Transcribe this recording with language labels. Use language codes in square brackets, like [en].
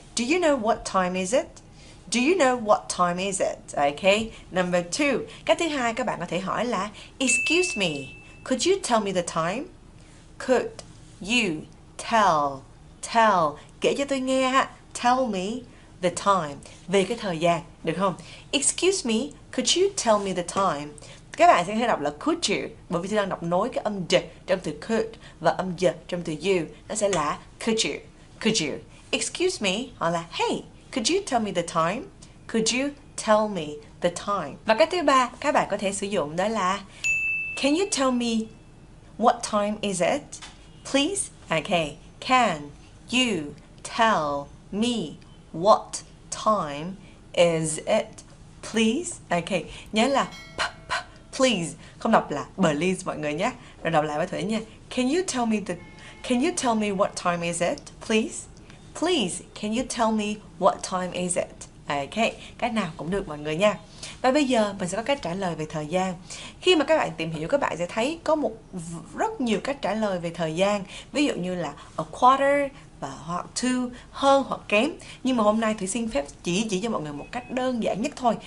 [en] Do you know what time is it? Do you know what time is it? Okay, number two. [vi] Cách thứ hai các bạn có thể hỏi là [en] excuse me, could you tell me the time? Could you tell, [vi] kể cho tôi nghe ha. [en] Tell me the time, [vi] về cái thời gian, được không? [en] Excuse me, could you tell me the time? [vi] Các bạn sẽ thấy đọc là [en] could you, [vi] bởi vì tôi đang đọc nối cái âm d trong từ could và âm d trong từ you, nó sẽ là could you, could you. [en] Excuse me, [vi] hoặc là [en] hey, could you tell me the time? Could you tell me the time? [vi] Và cách thứ ba các bạn có thể sử dụng đó là [en] can you tell me what time is it, please? Okay, can you tell me what time is it, please? [vi] Okay, nhớ là please, không đọc là please mọi người nhé. Rồi đọc lại với Thủy nha. [en] Can you tell me what time is it, please? Please, can you tell me what time is it? [vi] Ok, cách nào cũng được mọi người nha. Và bây giờ mình sẽ có cách trả lời về thời gian. Khi mà các bạn tìm hiểu, các bạn sẽ thấy có một rất nhiều cách trả lời về thời gian. Ví dụ như là [en] a quarter [vi] và hoặc two, hơn hoặc kém. Nhưng mà hôm nay Thủy xin phép chỉ cho mọi người một cách đơn giản nhất thôi.